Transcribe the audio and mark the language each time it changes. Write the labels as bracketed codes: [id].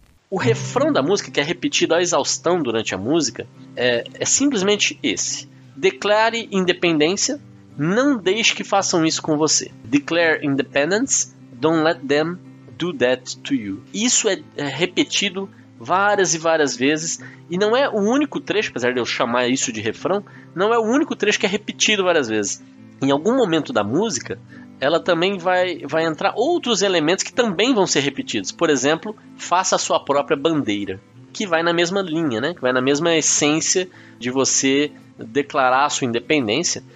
[pt] O refrão da música, que é repetido à exaustão durante a música, é simplesmente esse. Declare independência, não deixe que façam isso com você. [en] Declare independence, don't let them do that to you. [pt] Isso é repetido várias e várias vezes, e não é o único trecho, apesar de eu chamar isso de refrão, não é o único trecho que é repetido várias vezes. Em algum momento da música, ela também vai entrar outros elementos que também vão ser repetidos. Por exemplo, faça a sua própria bandeira, que vai na mesma linha, né? Que vai na mesma essência de você declarar a sua independência.